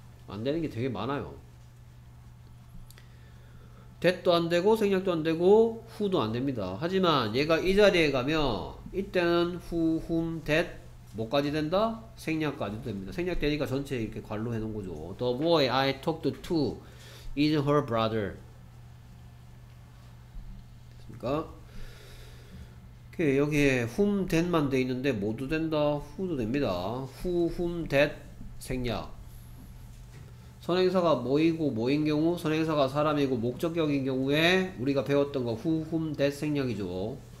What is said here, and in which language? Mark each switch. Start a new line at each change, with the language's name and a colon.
Korean: 안 되는 게 되게 많아요. 됐도 안 되고 생략도 안 되고 후도 안 됩니다. 하지만 얘가 이 자리에 가면 이때는 후, 훔, 됐 뭐까지 된다? 생략까지도 됩니다. 생략되니까 전체 이렇게 괄로 해놓은 거죠.
English: The boy I talked to is her brother.
Korean: 됐습니까? 오케이, 여기에 훔, 됐만 돼 있는데 모두 된다? 후도 됩니다. 후, 훔, 됐 생략. 선행사가 뭐이고 뭐인 경우, 선행사가 사람이고 목적격인 경우에 우리가 배웠던 거 who, whom, that 생략이죠.